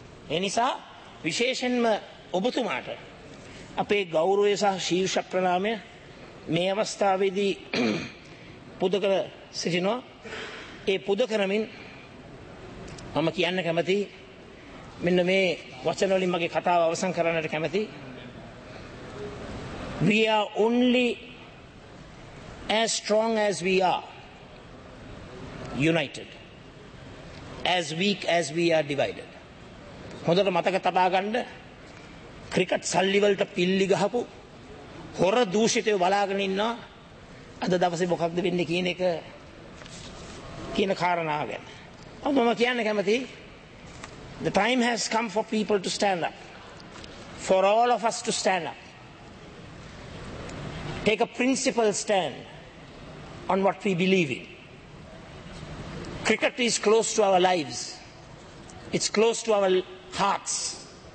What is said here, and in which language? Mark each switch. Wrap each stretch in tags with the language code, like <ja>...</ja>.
<si>ඒ නිසා විශේෂයෙන්ම ඔබතුමාට අපේ ගෞරවය සහ ශීර්ෂ ප්‍රණාමය මේ අවස්ථාවේදී පුද කර සිටිනවා. ඒ පුද කරමින් මම කියන්න කැමති මෙන්න මේ වචන වලින් මගේ කතාව අවසන් කරන්නට කැමති.</si> <en>We are only as strong as we are united, as weak as we are divided.</en> <si>හොඳට මතක තබා ගන්න, ක්‍රිකට් සල්ලි වලට පිල්ලි ගහපු හොර දූෂිතයෝ බලාගෙන ඉන්නවා අද දවසේ මොකක්ද වෙන්නේ කියන එක, කියන කාරණා ගැන. මම කියන්න කැමති,</si> <en>the time has come for people to stand up, for all of us to stand up, take a principled stand on what we believe in. Cricket is close to our lives, it's close to our hearts.</en>